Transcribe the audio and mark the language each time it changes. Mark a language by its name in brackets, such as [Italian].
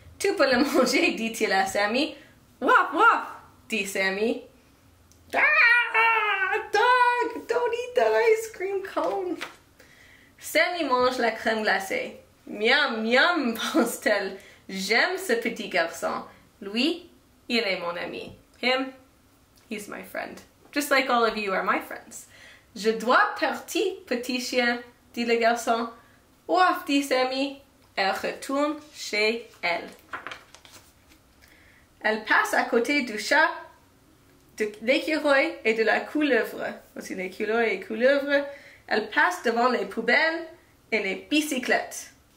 [French] Tu peux le manger, dit-il à Sammy. Ouaf, ouaf, dit Sammy. [English] Ah, dog, don't eat that ice cream cone. [French] Sammy mange la crème glacée. Miam, miam, pense-t-elle. J'aime ce petit garçon. Lui, il est mon ami. [English] Him, he's my friend. Just like all of you are my friends. [French] Je dois partir, petit chien, dit le garçon. Ouaf, dit Sammy. Elle retourne chez elle. Elle passe à côté du chat, de l'écureuil et de la couleuvre. Aussi l'écureuil et couleuvre. Elle passe devant les poubelles et les bicyclettes.